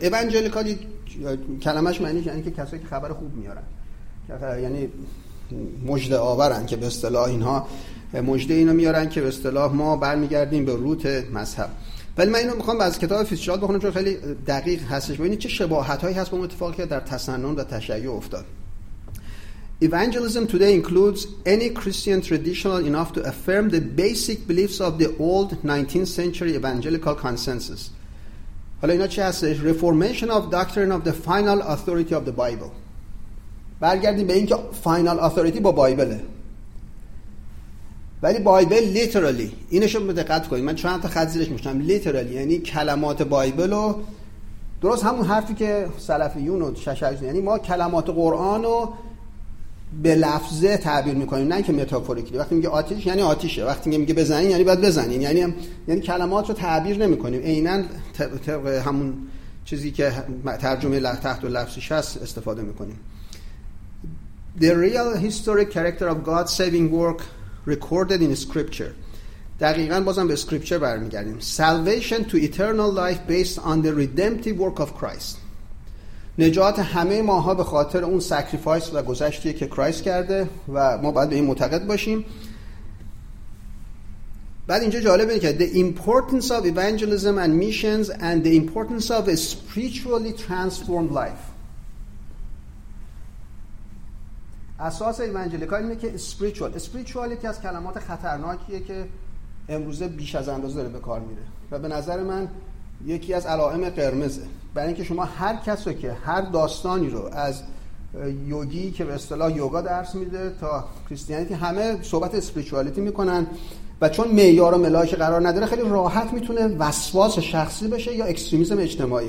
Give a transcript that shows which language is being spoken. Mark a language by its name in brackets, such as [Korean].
[Persian] اوانجلیکال کلمش معنیش یعنی که کسایی که خبر خوب میارن، یعنی مژده آورن، که به اصطلاح اینها مژده اینو میارن که به اصطلاح ما برمیگردیم به روت مذهب. ولی من اینو میخوام از کتاب فیتزجرالد بخونم چون خیلی دقیق هستش. ببینید چه شباهتایی هست با اتفاقی که در تسنن و تشیع افتاد. [English] Evangelism today includes any Christian traditional enough to affirm the basic beliefs of the old 19th century evangelical consensus. [Persian] حالا اینا چی هستش؟ [English] Reformation of doctrine of the final authority of the Bible. [Persian] برگردیم به اینکه final authority با بایبله. ولی بایبل literally، اینشو به دقت کنید، من چند تا خط زیرش میشتم، literally یعنی کلمات بایبل رو، درست همون حرفی که سلفیون و ششعج، یعنی ما کلمات قرآن رو به لفظه تعبیر میکنیم، نه که متافوریکلی. وقتی میگه آتیش یعنی آتیشه، وقتی میگه بزنین یعنی باید بزنین، یعنی کلمات رو تعبیر نمیکنیم، عیناً طبق همون چیزی که ترجمه تحت و لفظش هست استفاده میکنیم. [English] The real historic character of God's saving work recorded in scripture. [Persian] دقیقاً بازم به scripture برمیگردیم. [English] Salvation to eternal life based on the redemptive work of Christ. [Persian] نجات همه ماها به خاطر اون سکریفایس و گذشتی که کرایست کرده و ما باید به این معتقد باشیم. بعد اینجا جالب اینه که [English] the importance of evangelism and missions and the importance of a spiritually transformed life. [Persian] اساس ایوانجلیکا اینه که spiritual یکی از کلمات خطرناکیه که امروزه بیش از اندازه داره به کار میره و به نظر من یکی از علائم قرمزه، برای اینکه شما هر کسی که هر داستانی رو از یوگی که به اصطلاح یوگا درس میده تا کریستیانیتی، همه صحبت اسپریچوالیتی میکنن و چون معیار و ملاک قرار نداره خیلی راحت میتونه وسواس شخصی بشه یا اکستریمیسم اجتماعی.